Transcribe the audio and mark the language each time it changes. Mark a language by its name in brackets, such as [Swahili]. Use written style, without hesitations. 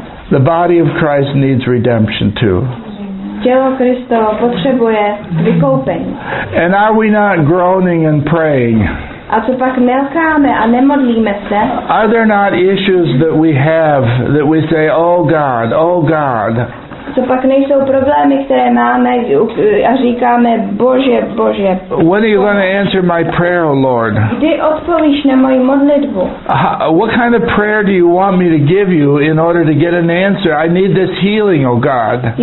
[English] The body of Christ needs redemption, too. [Czech] Tělo Kristovo potřebuje vykoupení. [English] And are we not groaning and praying? [Czech] A co pak nelkáme a nemodlíme se? [English] Are there not issues that we have that we say, oh God, oh God? [Czech] Co pak nejsou problémy, které máme a říkáme, Bože, Bože. [English] When are you going to answer my prayer, oh Lord? [Czech] Kdy odpovíš na moji modlitbu? [English] What kind of prayer do you want me to give you in order to get an answer? I need this healing, oh God.